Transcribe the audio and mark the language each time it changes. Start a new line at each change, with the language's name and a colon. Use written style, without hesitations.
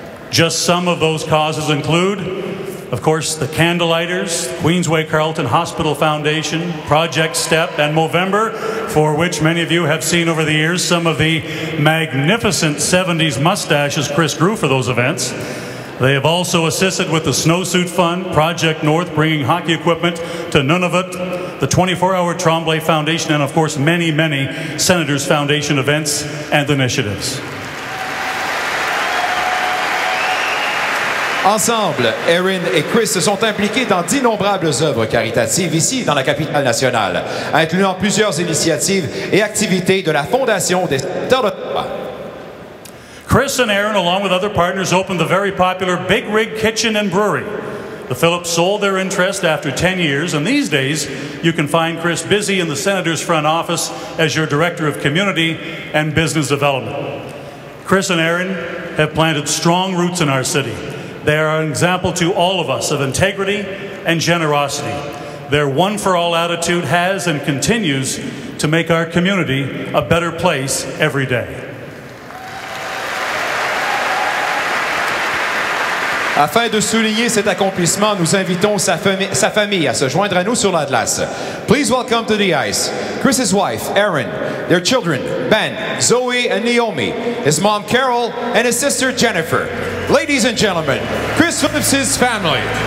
English: Just some of those causes include, of course, the Candlelighters, Queensway Carleton Hospital Foundation, Project STEP, and Movember, for which many of you have seen over the years some of the magnificent 70s mustaches Chris grew for those events. They have also assisted with the Snowsuit Fund, Project North, bringing hockey equipment to Nunavut, the 24-Hour Tremblay Foundation, and of course many, many Senators Foundation events and initiatives.
French: Ensemble, Aaron et Chris se sont impliqués dans d'innombrables œuvres caritatives ici dans la capitale nationale, incluant plusieurs initiatives et activités de la Fondation des Sénateurs.
English: Chris and Aaron, along with other partners, opened the very popular Big Rig Kitchen and Brewery. The Phillips sold their interest after 10 years, and these days you can find Chris busy in the Senator's front office as your Director of Community and Business Development. Chris and Aaron have planted strong roots in our city. They are an example to all of us of integrity and generosity. Their one-for-all attitude has and continues to make our community a better place every day.
French: Afin de souligner cet accomplissement, nous invitons sa famille à se joindre à nous sur la glace.
English: Please welcome to the ice Chris's wife, Erin, their children, Ben, Zoe, and Naomi, his mom, Carol, and his sister, Jennifer. Ladies and gentlemen, Chris Phillips' family.